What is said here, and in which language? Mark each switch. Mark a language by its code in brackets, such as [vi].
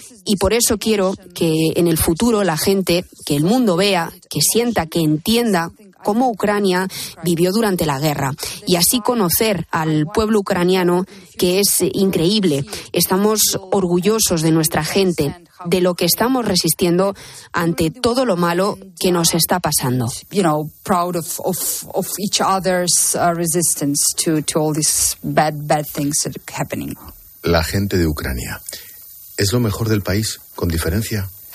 [es] Y por eso quiero que en el futuro la gente, que el mundo vea, que sienta, que entienda cómo Ucrania vivió durante la guerra. Y así conocer al pueblo ucraniano, que es increíble. Estamos orgullosos de nuestra gente, de lo que estamos resistiendo ante todo lo malo que nos está pasando. [en] You know, proud of each other's resistance to all these bad things that are happening. [es] La gente de Ucrania es lo mejor del país, con diferencia.